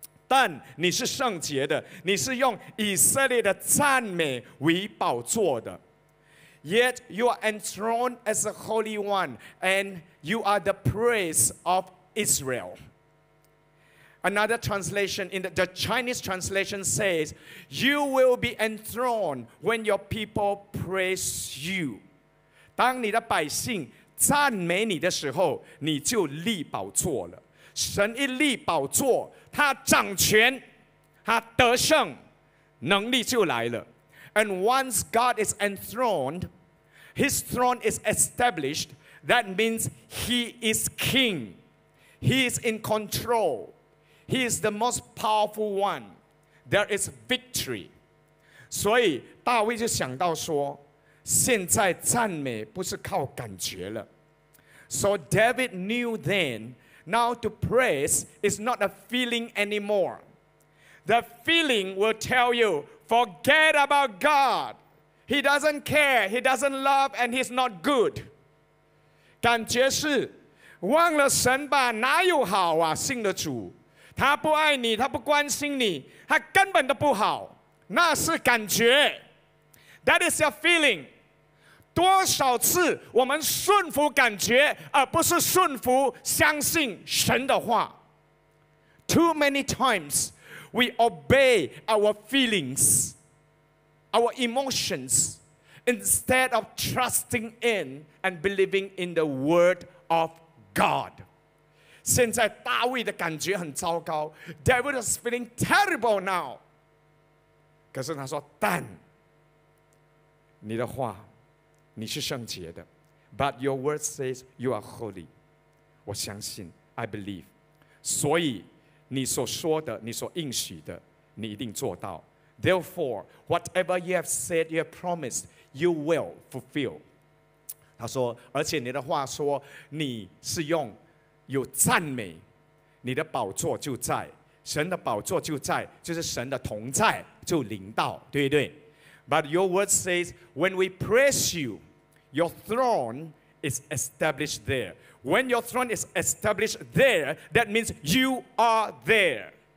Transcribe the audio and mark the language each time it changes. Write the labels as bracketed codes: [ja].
[zh] 但你是圣洁的，你是用以色列的赞美为宝座的。 [en] Yet you are enthroned as a holy one, and you are the praise of Israel. Another translation, in the Chinese translation says, you will be enthroned when your people praise you. [zh] 当你的百姓赞美你的时候，你就立宝座了。神一立宝座，他掌权，他得胜，能力就来了。 [en] And once God is enthroned, his throne is established. That means he is king. He is in control. He is the most powerful one. There is victory. [zh] 所以大卫就想到说，现在赞美不是靠感觉了。 [en] So David knew then, now to praise is not a feeling anymore. The feeling will tell you, forget about God. He doesn't care, he doesn't love, and he's not good. [zh] 感觉是忘了神吧，哪有好啊，信的主。他不爱你，他不关心你，他根本都不好。那是感觉。 [en] That is your feeling. [zh] 多少次我们顺服感觉，而不是顺服相信神的话。 [en] Too many times we obey our feelings, our emotions, instead of trusting in and believing in the word of God. [zh] 现在大卫的感觉很糟糕， [en] David is feeling terrible now. [zh] 可是他说，但你的话，你是圣洁的， [en] but your word says you are holy. [zh] 我相信， I believe. 所以你所说的，你所应许的，你一定做到。 [en] Therefore, whatever you have said, you have promised, you will fulfill. [zh] 他说，而且你的话说，你是用有赞美，你的宝座就在，神的宝座就在，就是神的同在就临到，对不对？ [en] But your word says, when we praise you,Your throne is established there. When your throne is established there, that means you are there.